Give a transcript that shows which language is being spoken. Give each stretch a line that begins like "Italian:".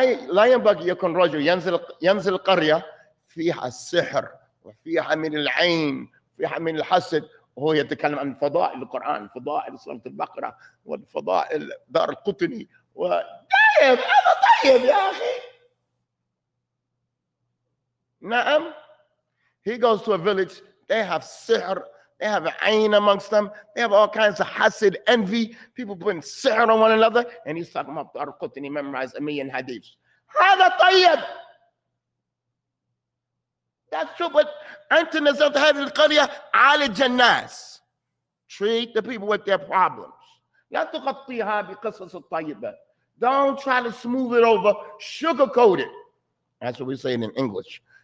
Arabic: لا ينبغي يكون رجل ينزل قرية فيها السحر وفيها من العين فيها من الحسد وهو يتكلم عن فضائل القرآن فضائل سورة البقرة والفضائل دار القطني وطيب هذا طيب يا أخي.
English: Na'am, he goes to a village, they have sihr, they have ayn amongst them, they have all kinds of hasid, envy, people putting sihr on one another, and he's talking about Dar Qutni, memorized a million hadiths.
Arabic: هذا طيب!
English: That's true, but
Arabic: أنت نزلت هذه القرية عالج الناس.
English: Treat the people with their problems.
Arabic: لا تغطيها بقصص الطيبة.
English: Don't try to smooth it over, sugarcoat it. That's what we say in English.